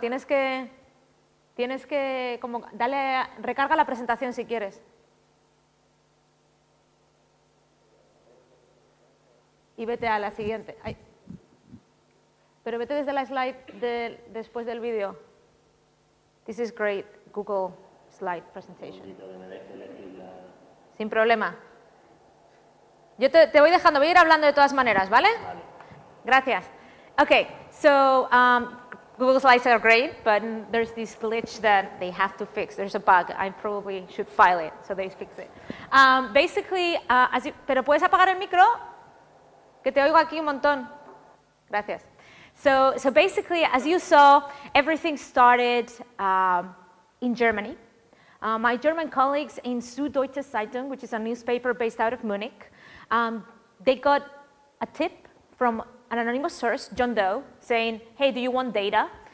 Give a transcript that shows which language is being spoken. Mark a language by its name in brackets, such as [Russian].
[Spanish] Tienes que como dale, recarga la presentación si quieres. Y vete a la siguiente. Ay. Pero vete desde la slide de, después del video. [English] This is great Google slide presentation. [Spanish] Sin problema. Yo te voy dejando, voy a ir hablando de todas maneras, ¿vale? Vale. Gracias. [English] Okay, so Google slides are great, but there's this glitch that they have to fix. There's a bug. I probably should file it, so they fix it. Basically, [Spanish] pero puedes apagar el micro, que te oigo aquí un montón. Gracias. [English] So basically, as you saw, everything started in Germany. My German colleagues in Süddeutsche Zeitung, which is a newspaper based out of Munich, they got a tip from an anonymous source, John Doe, saying, hey, do you want data?